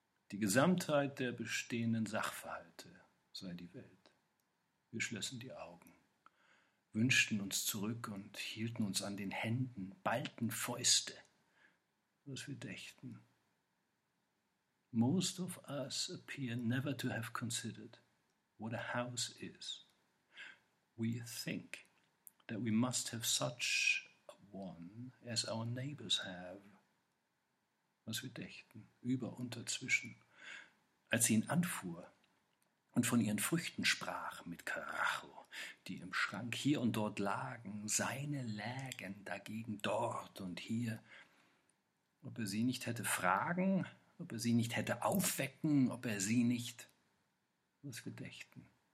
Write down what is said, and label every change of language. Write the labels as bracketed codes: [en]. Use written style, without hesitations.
[de] Die Gesamtheit der bestehenden Sachverhalte sei die Welt. Wir schlössen die Augen. Wünschten uns zurück und hielten uns an den Händen, ballten Fäuste, was wir dächten. [en] Most of us appear never to have considered what a house is. We think that we must have such a one as our neighbors have. [de] Was wir dächten, über und dazwischen, als sie ihn anfuhr und von ihren Früchten sprach mit Karacho. Die im Schrank hier und dort lagen, seine lägen dagegen dort und hier. Ob er sie nicht hätte fragen, ob er sie nicht hätte aufwecken, ob er sie nicht, was wir dächten.